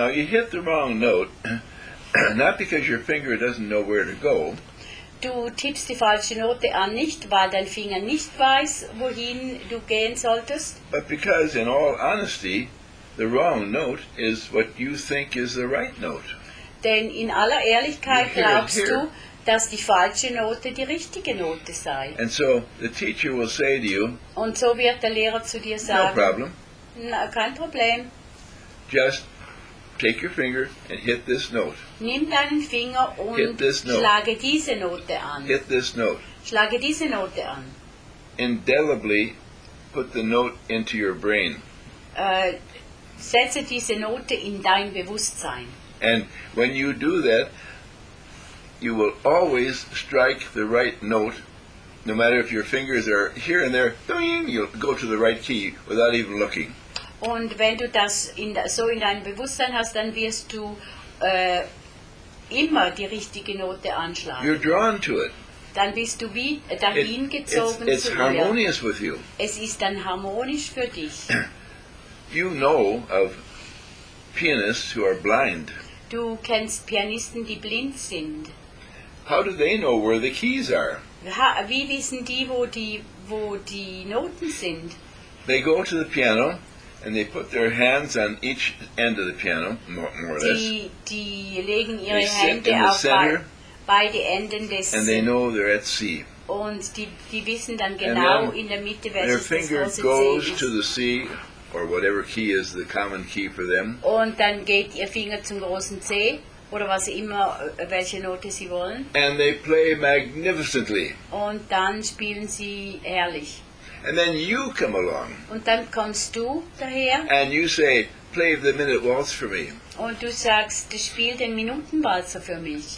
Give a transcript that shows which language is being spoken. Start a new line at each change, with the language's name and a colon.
English: Now you hit the wrong note, not because your finger doesn't know where to go.
German: Du tippst die falsche Note an, nicht weil dein Finger nicht weiß, wohin du gehen solltest.
English: But because, in all honesty, the wrong note is what you think is the right note.
German: Denn in aller Ehrlichkeit glaubst du, dass die falsche Note die richtige Note sei.
English: And so the teacher will say to you,
German: und so wird der Lehrer zu dir sagen,
English: no problem.
German: Kein Problem.
English: Just take your finger and hit this note.
German: Nimm deinen Finger und
English: hit this note.
German: Schlage diese Note an.
English: Hit this note.
German: Schlage diese Note an.
English: Indelibly put the note into your brain.
German: Setze diese Note in dein Bewusstsein.
English: And when you do that, you will always strike the right note, no matter if your fingers are here and there, ding, you'll go to the right key without even looking.
German: Und wenn du das so in deinem Bewusstsein hast, dann wirst du immer die richtige Note anschlagen.
English: You're drawn to it.
German: Dann bist du wie dahin gezogen.
English: It's harmonious with you.
German: Es ist dann harmonisch für dich.
English: You know of pianists who are blind.
German: Du kennst Pianisten, die blind sind.
English: How do they know where the keys are?
German: Wie wissen die, wo die Noten sind?
English: They go to the piano and they put their hands on each end of the piano, more or less.
German: Die legen ihre Hände auf beide Enden des.
English: And they know they're at C.
German: Und die wissen dann genau in der Mitte, welches
English: Their finger
German: das
English: goes to the C. Or whatever key is the common key for them.
German: Und dann geht ihr Finger zum großen C oder was immer welche Note sie wollen.
English: And they play magnificently.
German: Und dann spielen sie herrlich.
English: And then you come along.
German: Und dann kommst du daher.
English: And you say, "Play the minute waltz for me."
German: Und du sagst, du spielst den Minutenwalzer für mich.